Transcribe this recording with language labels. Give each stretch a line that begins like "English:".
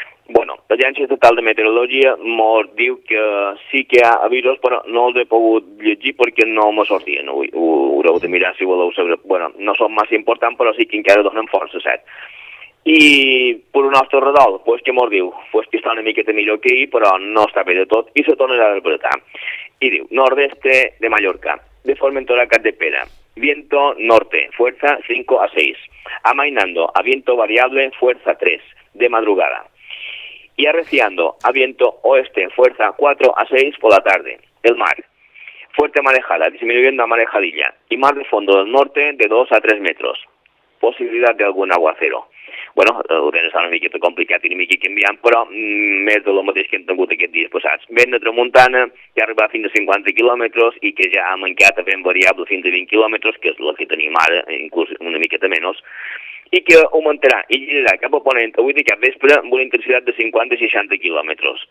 Catalan: Bueno, l'Agència Estatal de Meteorologia mos diu que sí que hi ha avisos, però no els he pogut llegir perquè no me sortien. Ho haureu de mirar si voleu saber. Bueno, no són massa importants, però sí que encara donen força set. I per un altre redol, pues, què mos diu? Pues que està una miqueta millor que ahir, però no està bé de tot i se tornarà a despertar.
Spanish: Y digo, nordeste de Mallorca, de Formentora a Capdepera, viento norte, fuerza 5 a 6, amainando a viento variable, fuerza 3, de madrugada, y arreciando a viento oeste, fuerza 4 a 6 por la tarde, el mar, fuerte marejada, disminuyendo a marejadilla, y mar de fondo del norte de 2 a 3 metros, posibilidad de algún aguacero.
Catalan: Bueno, el vent està una miqueta complicat i una miqueta canviant, però més de lo mateix que hem tingut aquests dies passats. Vent de tramuntana, que ha arribat fins a 50 quilòmetres i que ja ha mancat a vent variable fins a 20 quilòmetres, que és el que tenim ara, inclús una miqueta menys, i que augmentarà i girarà cap a ponent avui de cap vespre amb una intensitat de 50-60 quilòmetres.